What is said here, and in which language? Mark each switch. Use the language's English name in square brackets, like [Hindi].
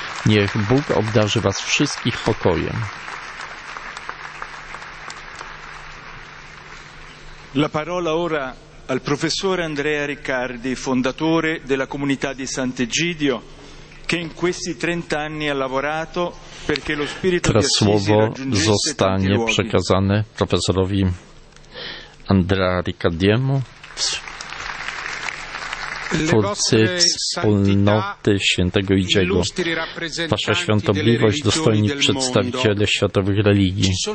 [Polish] Niech Bóg obdarzy was wszystkich pokojem. [Italian] La parola ora al professore Andrea Riccardi, fondatore della comunità di Sant'Egidio, che in questi 30 anni ha lavorato perché lo spirito [Polish] di Assisi zostanie przekazane profesorowi Andrea Riccardiemu, twórcy wspólnoty świętego Idziego. Wasza świątobliwość, dostojni przedstawiciele światowych religii.